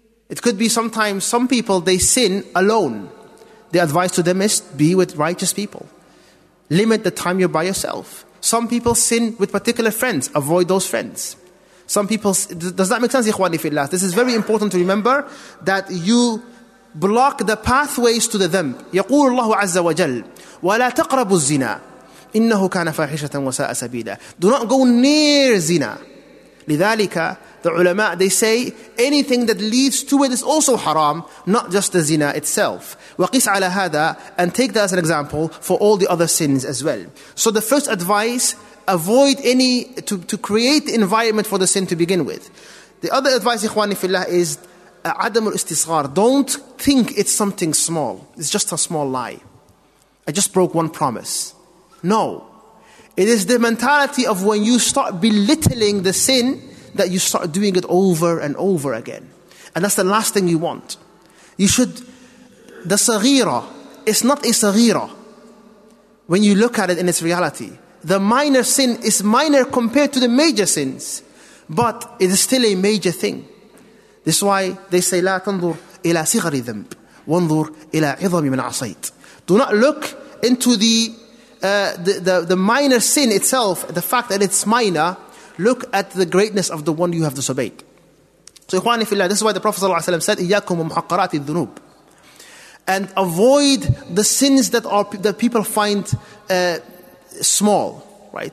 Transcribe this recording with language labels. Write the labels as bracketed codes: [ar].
[en] It could be sometimes some people, they sin alone. The advice to them is be with righteous people. Limit the time you're by yourself. Some people sin with particular friends. Avoid those friends. Some people, does that make sense, ikhwani fillah? This is very important to remember that you block the pathways to the dhanb. [ar] يقول الله عز وجل ولا تقربوا الزنا إنه كان فاحشة وساء سبيلا. [en] Do not go near zina. [ar] لذلك [en] the ulama, they say anything that leads to it is also haram, not just the zina itself. [ar] وقس على هذا, [en] and take that as an example for all the other sins as well. So the first advice, avoid any, to create the environment for the sin to begin with. The other advice, ikhwani fillah, is [ar] عدم الاستصغار. [en] Don't think it's something small. It's just a small lie. I just broke one promise. No. It is the mentality of when you start belittling the sin, that you start doing it over and over again. And that's the last thing you want. You should, the saghira, it's not a saghira. When you look at it in its reality, the minor sin is minor compared to the major sins, but it is still a major thing. This is why they say, [ar] لا تنظر إلى صغر ذنب وانظر إلى عظم من عصيت. [en] Do not look into the minor sin itself, the fact that it's minor. Look at the greatness of the one you have disobeyed. So, ikhwani fillah, this is why the Prophet ﷺ said, [ar] إِيَّاكُمْ وَمُحَقَّرَاتِ الذُّنُوبِ. [en] And avoid the sins that people find small, right?